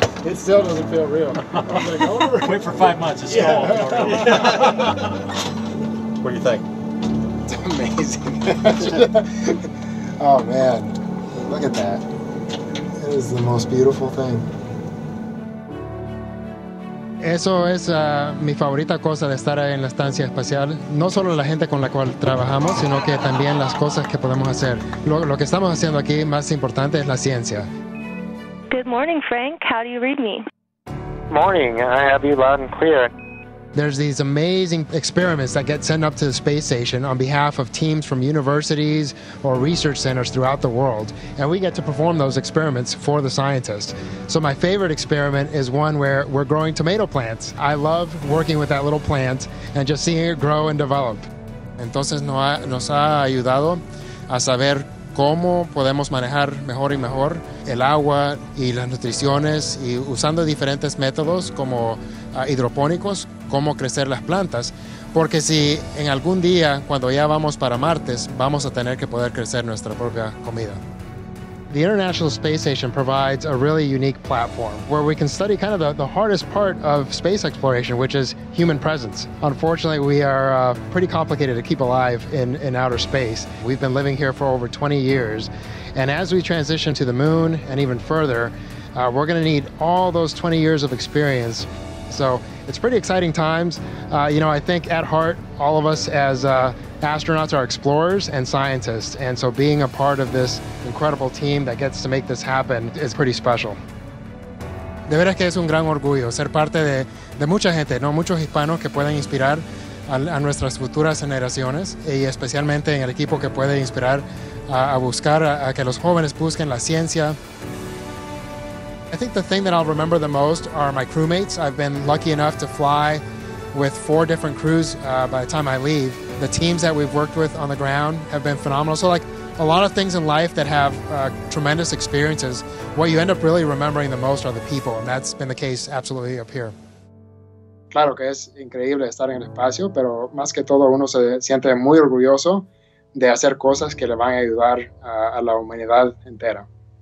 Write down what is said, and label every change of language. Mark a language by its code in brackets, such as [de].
[en] It still doesn't feel real. Like, wait for 5 months. It's cold. What do you think? It's amazing. Oh, man. Look at that. It is the most beautiful thing. [es] Eso es mi favorita cosa de estar en la estancia espacial. No solo la gente con la cual trabajamos, sino que también las cosas que podemos hacer. Lo que estamos haciendo aquí, más importante, es la ciencia. [en] Good morning, Frank. How do you read me? Morning. I have you loud and clear. There's these amazing experiments that get sent up to the space station on behalf of teams from universities or research centers throughout the world, and we get to perform those experiments for the scientists. So my favorite experiment is one where we're growing tomato plants. I love working with that little plant and just seeing it grow and develop. [es] Entonces nos ha ayudado a saber cómo podemos manejar mejor y mejor el agua y las nutriciones y usando diferentes métodos como hidropónicos, cómo crecer las plantas, porque si en algún día, cuando ya vamos para Marte, vamos a tener que poder crecer nuestra propia comida. [en] The International Space Station provides a really unique platform where we can study kind of the hardest part of space exploration, which is human presence. Unfortunately, we are pretty complicated to keep alive in outer space. We've been living here for over 20 years, and as we transition to the moon and even further, we're gonna need all those 20 years of experience. So it's pretty exciting times. You know, I think at heart, all of us as astronauts are explorers and scientists. And so being a part of this incredible team that gets to make this happen is pretty special. [es] De veras que es un gran orgullo ser parte de mucha gente, ¿no? Muchos hispanos que pueden inspirar a nuestras futuras generaciones y especialmente en el equipo que puede inspirar a buscar a que los jóvenes busquen la ciencia. [en] I think the thing that I'll remember the most are my crewmates. I've been lucky enough to fly with four different crews by the time I leave. The teams that we've worked with on the ground have been phenomenal. So like a lot of things in life that have tremendous experiences, what you end up really remembering the most are the people, and that's been the case absolutely up here. [es] Claro que es increíble estar en el espacio, pero más que todo uno se siente muy orgulloso de hacer cosas que le van a ayudar a la humanidad entera.